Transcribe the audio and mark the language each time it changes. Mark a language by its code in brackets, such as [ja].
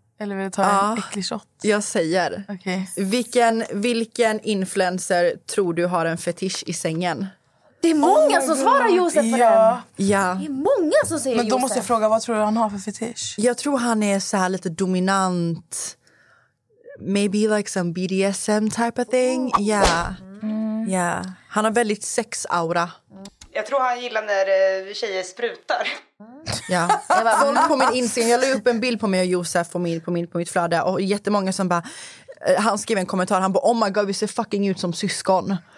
[sv] Eller vill du ta en äcklig shot? Jag säger. Okay. Vilken influencer tror du har en fetisch i sängen? Det är många som svarar Josef på den. Ja. Det är många som säger Men då Josef. Måste jag fråga, vad tror du han har för fetisch? Jag tror han är så här lite dominant. [en] Maybe like some BDSM type of thing. [sv] Ja. Mm. Yeah. Han har väldigt sexaura. Jag tror han gillar när tjejer sprutar. Ja. Folk på min Instagram, jag la upp en bild på mig och Josef och på mitt flöde. Och jättemånga som bara, han skrev en kommentar. Han bara, [en] oh my god, [sv] vi ser fucking ut som syskon.